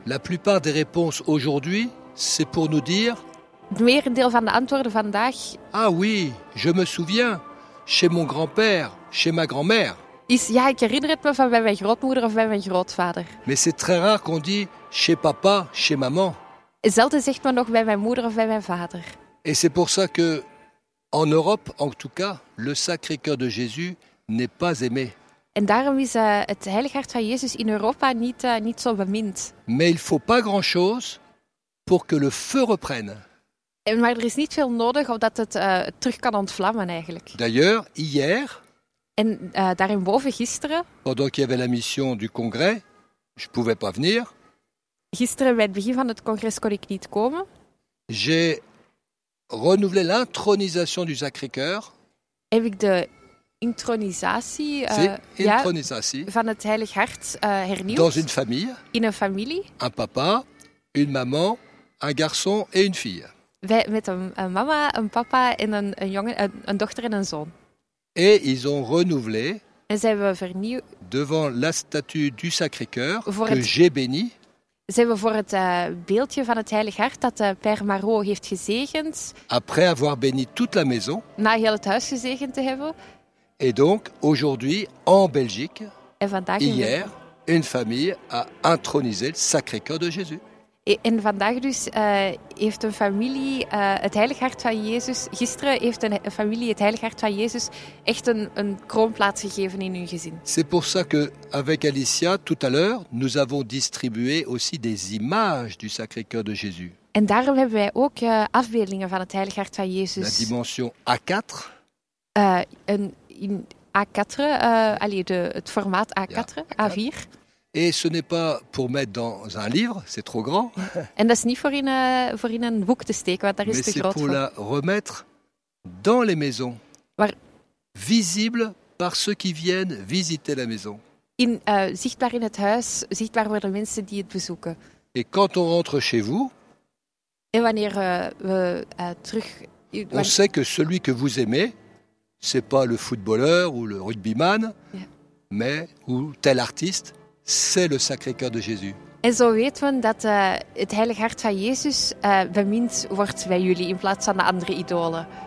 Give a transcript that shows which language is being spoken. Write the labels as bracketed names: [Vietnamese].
[French] La plupart des réponses aujourd'hui, c'est pour nous dire. [Dutch] Het merendeel van de antwoorden vandaag. [French] Ah oui, je me souviens, chez mon grand-père, chez ma grand-mère. [Dutch] Is ja, ik herinner het me van bij mijn grootmoeder of bij mijn grootvader. [French] Mais c'est très rare qu'on dit chez papa, chez maman. [Dutch] Zelden zegt men nog bij mijn moeder of bij mijn vader. [French] Et c'est pour ça que en Europe, en tout cas, le Sacré-Cœur de Jésus n'est pas aimé. [Dutch] En daarom is het Heilig Hart van Jezus in Europa niet zo bemind. [French] Mais il faut pas grand chose pour que le feu reprenne. [Dutch] Maar er is niet veel nodig omdat het terug kan ontvlammen eigenlijk. [French] D'ailleurs, hier. [Dutch] En daarin boven gisteren. [French] Pendant qu'il y avait la mission du congrès, je pouvais pas venir. [Dutch] Gisteren bij het begin van het congres kon ik niet komen. [French] J'ai renouvelé l'intronisation du Sacré-Cœur. [Dutch] Heb ik de intronisatie van het Heilig Hart hernieuwd. [French] Dans une famille. [Dutch] In een familie. [French] Un papa, une maman, un garçon et une fille. [Dutch] Met een mama, een papa en een jongen, een dochter en een zoon. [French] Et ils ont renouvelé. [Dutch] En ze hebben vernieuwd. [French] Devant la statue du Sacré-Cœur que j'ai béni. [Dutch] Ze hebben voor het beeldje van het Heilig Hart dat Père Marot heeft gezegend. [French] Après avoir béni toute la maison. [Dutch] Na heel het huis gezegend te hebben. [French] Et donc aujourd'hui en Belgique. [Dutch] En vandaag [French] hier, une famille a intronisé le Sacré-Cœur de Jésus. [Dutch] En vandaag dus heeft een familie het Heilig Hart van Jezus. Gisteren heeft een familie het Heilig Hart van Jezus echt een kroonplaats gegeven in hun gezin. [French] C'est pour ça que avec Alicia tout à l'heure, nous avons distribué aussi des images du Sacré-Cœur de Jésus. [Dutch] En daarom hebben wij ook afbeeldingen van het Heilig Hart van Jezus. [French] La dimension A4. [Dutch] A4, het formaat A4, ja, A4. A4. [French] Et ce n'est pas pour mettre dans un livre, c'est trop grand. [Dutch] En dat is niet voor in een boek te steken, want daar is [French] mais [Dutch] te groot voor. [French] Mais c'est pour la remettre dans les maisons. [Dutch] Waar? [French] Visible par ceux qui viennent visiter la maison. [Dutch] In, zichtbaar in het huis, zichtbaar voor de mensen die het bezoeken. [French] Et quand on rentre chez vous, [Dutch] en wanneer we terug... [French] On sait que celui que vous aimez, c'est pas le footballeur ou le rugbyman, mais ou tel artiste, c'est le Sacré-Cœur de Jésus. [Dutch] En zo weet men dat het Heilig Hart van Jezus bemind wordt bij jullie in plaats van de andere idolen.